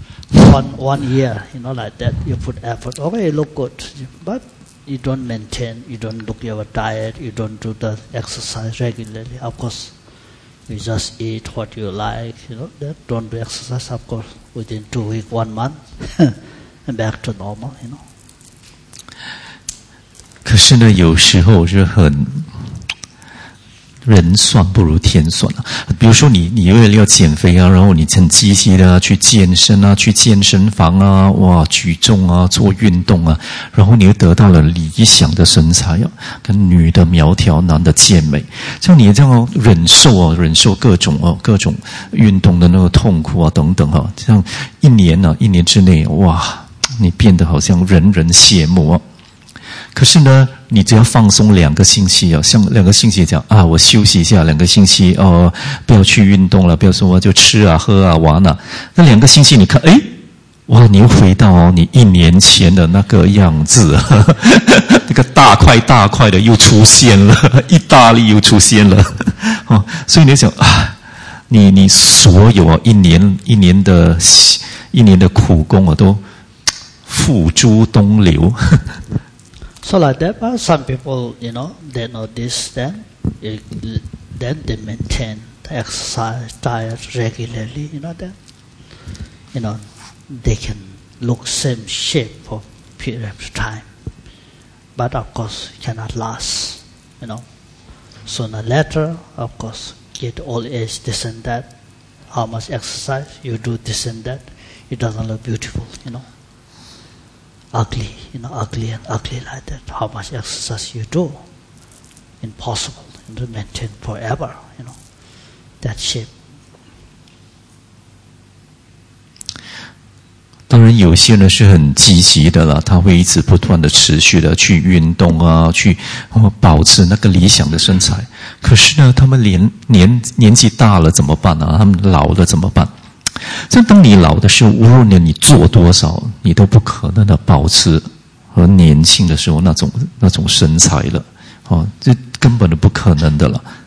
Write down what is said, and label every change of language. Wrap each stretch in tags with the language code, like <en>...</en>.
<en>One year, you know, like that, you put effort. Okay, you look good, but you don't maintain, you don't look your diet, you don't do the exercise regularly. Of course, you just eat what you like, you know, that don't do exercise. Of course, within 2 weeks, 1 month, and back to normal, you know.</en> <zh>可是呢，有时候是很人算不如天算啊！比如说你为了要减肥啊，然后你很积极的、啊、去健身啊，去健身房啊，哇，举重啊，做运动啊，然后你又得到了理想的身材啊，跟女的苗条，男的健美，像你这样忍受啊，忍受各种啊，各种运动的那个痛苦啊，等等啊，这样一年之内，哇，你变得好像人人羡慕啊。可是呢，你只要放松两个星期啊，像两个星期这样啊，我休息一下两个星期哦，不要去运动了，不要说就吃啊、喝啊、玩啊。那两个星期，你看，哎，哇，你回到你一年前的那个样子，那个大块大块的又出现了，意大利又出现了，所以你想啊，你所有一年的苦功啊，都付诸东流。</zh> <en>So like that, but some people, you know, they know this, then they maintain the exercise diet regularly, you know that, you know, they can look same shape for a period of time, but of course cannot last, you know. Sooner or later, of course, get old age, this and that, how much exercise you do, this and that, it doesn't look beautiful, you know. Ugly, you know, ugly and ugly like that. How much exercise you do, impossible to maintain forever, you know, that shape.</en> <zh>当然有些人是很积极的啦，他会一直不断的持续的去运动啊，去保持那个理想的身材。可是呢，他们年纪大了怎么办啊？他们老了怎么办？在当你老的时候，无论你做多少，你都不可能的保持和年轻的时候那种身材了，哦，这根本就不可能的了。</zh>